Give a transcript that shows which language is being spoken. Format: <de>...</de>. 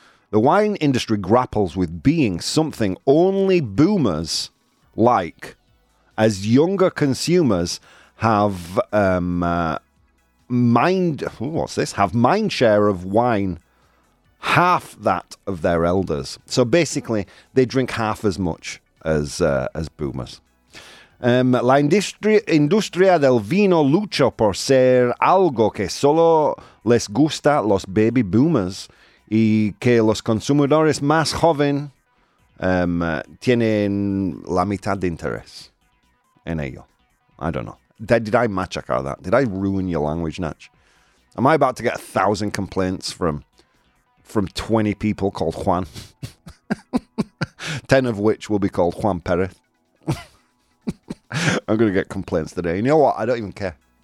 <en>The wine industry grapples with being something only boomers like, as younger consumers have mind share of wine half that of their elders. So basically, they drink half as much as boomers.</en> <es>La industria del vino lucha por ser algo que solo les gusta los baby boomers y que los consumidores más jóvenes tienen la mitad de interés en ello.</es> <en>I don't know. Did I machacar that? Did I ruin your language, Natch? Am I about to get 1,000 complaints from 20 people called Juan? 10 of which will be called Juan Perez. I'm going to get complaints today. You know what? I don't even care.</en>